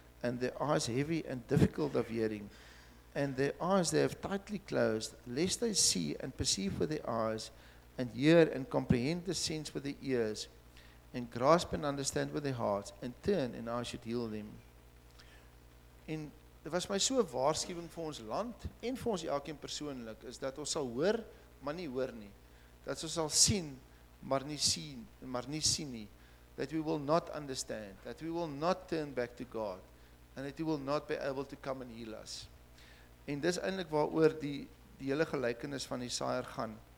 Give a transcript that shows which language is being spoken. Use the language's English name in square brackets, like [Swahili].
[English] and their eyes heavy and difficult of hearing, and their eyes they have tightly closed, lest they see and perceive with their eyes, and hear and comprehend the sense with their ears, and grasp and understand with their hearts, and turn, and I should heal them. [Afrikaans] En dit was my so 'n waarskuwing vir ons land, en vir ons elkeen persoonlik, is dat ons sal hoor, maar nie hoor nie. Dat ons sal sien, maar nie sien, nie. [English] That we will not understand, that we will not turn back to God, and that He will not be able to come and heal us. [Afrikaans] En dis eintlik waaroor die hele gelykenis van Jesaja gaan.